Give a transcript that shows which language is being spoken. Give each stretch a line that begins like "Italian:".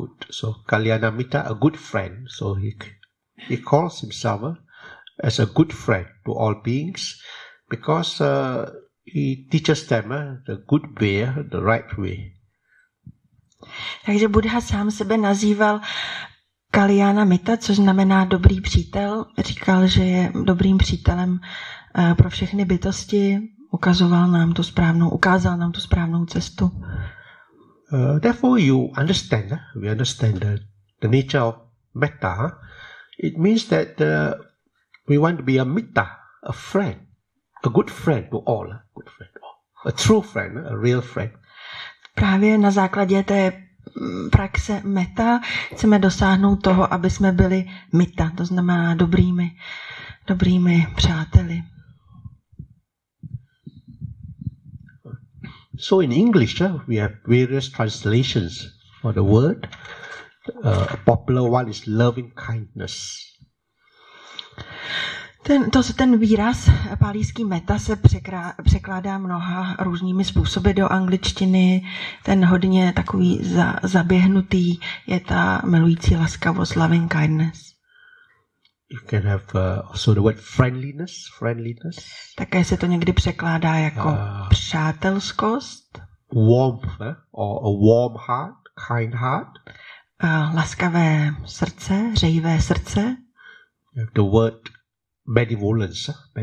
English: So Kalyanamitta, a good friend. So he calls himself as a good friend to all beings because he teaches them the good way, the right way.
Czech: Takže Buddha sám sebe nazýval Kalyanamitta, což znamená dobrý přítel. Říkal, že je dobrým přítelem pro všechny bytosti. Ukázal nám tu správnou cestu.
English: Therefore you understand, we understand the nature of metta. It means that we want to be a mitta, a friend, a good friend to all, a true friend, a real friend.
Czech: Právě na základě té praxe metta chceme dosáhnout toho, aby jsme byli mitta, to znamená dobrými přáteli.
English: So in English, we have various translations for the word. A popular one is loving kindness.
Czech: Ten výraz pálíský metta se překládá mnoha různými způsoby do angličtiny. Ten hodně takový zaběhnutý je ta milující laskavost,
English: loving kindness. You can have also the word friendliness.
Czech: Také se to někdy překládá jako přátelskost.
English: Warmth, or a warm heart, kind heart.
Czech: Laskavé srdce, řejivé srdce.
English: You have the word benevolence.